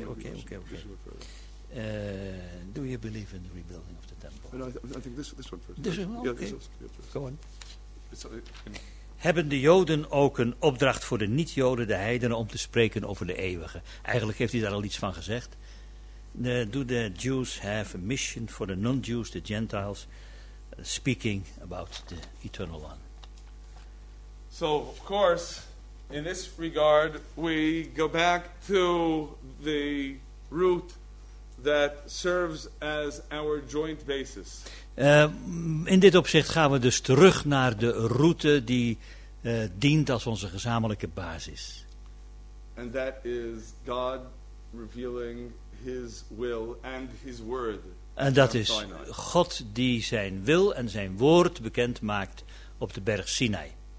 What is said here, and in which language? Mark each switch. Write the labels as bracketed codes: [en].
[en] Do you believe in the rebuilding of the temple? No, I think this one first. This one, okay. Yeah, go on. [nl] Hebben de Joden ook een opdracht voor de niet-Joden, de heidenen, om te spreken over de eeuwige? Eigenlijk heeft hij daar al iets van gezegd. [en] Do the Jews have a mission for the non-Jews, the Gentiles, speaking about the eternal one? So, of course, in this regard, we go back to the root that serves as our joint basis. [nl] In dit opzicht gaan we dus terug naar de route die dient als onze gezamenlijke basis. [en] And that is God revealing his will and his word. [nl] En dat is God die zijn wil en zijn woord bekend maakt op de berg Sinai.